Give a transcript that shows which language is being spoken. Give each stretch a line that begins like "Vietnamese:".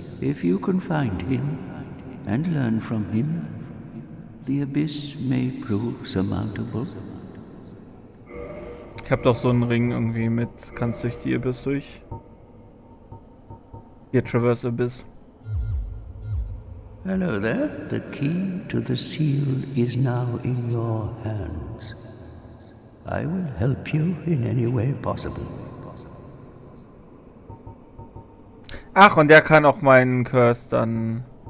English: If you can find him and learn from him, the Abyss may prove surmountable.
German: Ich hab doch so einen Ring irgendwie mit, kannst durch die Abyss durch.
English: Hier, Traverse Abyss. Hello there. The key to the seal is now in your hands. I will help you in any way possible.
German: Ach, und der kann auch meinen Curse dann.